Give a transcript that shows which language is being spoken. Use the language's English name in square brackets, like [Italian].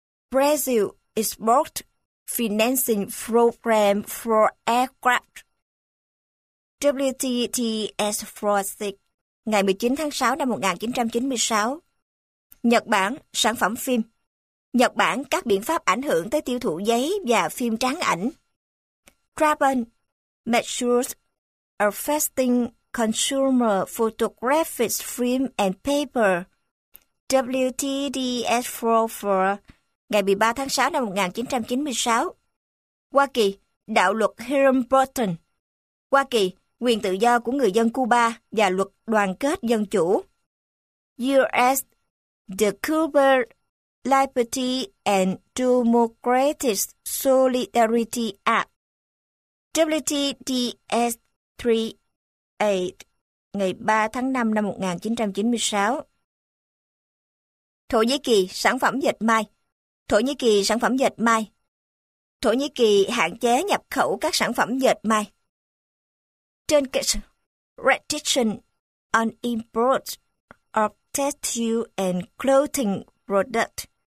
[English] Brazil Export Financing Program for Aircraft. [Vietnamese] WTDS Fry 6. Ngày 19 tháng 6 năm 1996. Nhật Bản, sản phẩm phim. Nhật Bản, các biện pháp ảnh hưởng tới tiêu thụ giấy và phim tráng ảnh. [English] Carbon measures affecting consumer photographic film and paper. [Vietnamese] WTDS 44, ngày 13 tháng 6 năm 1996. Hoa Kỳ, đạo luật Hillenbrotten. Hoa Kỳ, quyền tự do của người dân Cuba và luật đoàn kết dân chủ. [English] U.S. The Cuba Liberty and Democratic Solidarity Act. [Vietnamese] WTDS 38, ngày 3 tháng 5 năm 1996. Thổ Nhĩ Kỳ, sản phẩm dệt may. Thổ Nhĩ Kỳ, sản phẩm dệt may. Thổ Nhĩ Kỳ hạn chế nhập khẩu các sản phẩm dệt may. [English] Turkish restriction on imports of textile and clothing product.